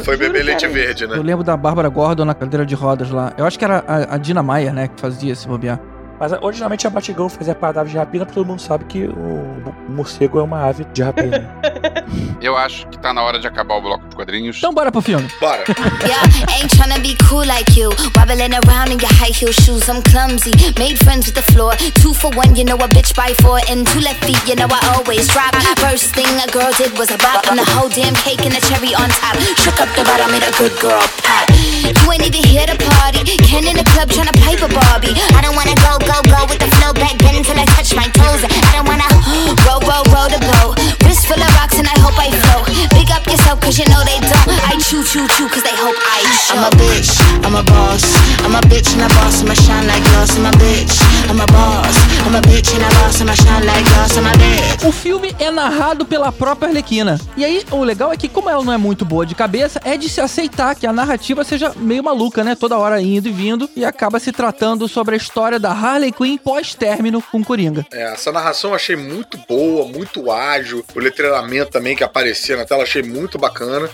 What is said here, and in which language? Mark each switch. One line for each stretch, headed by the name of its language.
Portuguese: Foi beber leite verde, né? Eu lembro da Bárbara Gordon na cadeira de rodas lá. Eu acho que era a Dina Meyer, né, que fazia esse bobear. Mas originalmente a Batgirl fazia a parada de rapina, porque todo mundo sabe que o morcego é uma ave de rapina. Eu acho que tá na hora de acabar o bloco de quadrinhos. Então bora pro filme. Bora.
English: Yeah, ain't tryna be cool like you. Wobbling around in your high heel shoes. I'm clumsy. Made friends with the floor. Two for one, you know a bitch by four. And two left feet, you know I always drop. First thing a girl did was a bop. And the whole damn cake and the cherry on top. Shook up the bottom, made a good girl pop. You ain't even here to party. Ken in the club tryna pipe a Barbie. I don't wanna go, go, go with the flow. Back then until I touch my toes. I don't wanna roll, roll, roll the boat. Wrist full of rocks and I hope I float. Big up yourself cause you know they don't. I chew, chew, chew cause they hope I show. I'm a bitch, I'm a boss. I'm a bitch and a boss, I'ma shine like glass. I'm a bitch, I'm a boss. I'm a bitch and a boss, I'ma shine like glass. I'm a bitch.
Portuguese: O filme é narrado pela própria Arlequina. E aí, o legal é que como ela não é muito boa de cabeça, é de se aceitar que a narrativa seja meio maluca, né? Toda hora indo e vindo, e acaba se tratando sobre a história da Harley Quinn pós-término com Coringa. É, essa narração eu achei muito boa, muito ágil. O letreiramento também que aparecia na tela, achei muito bacana.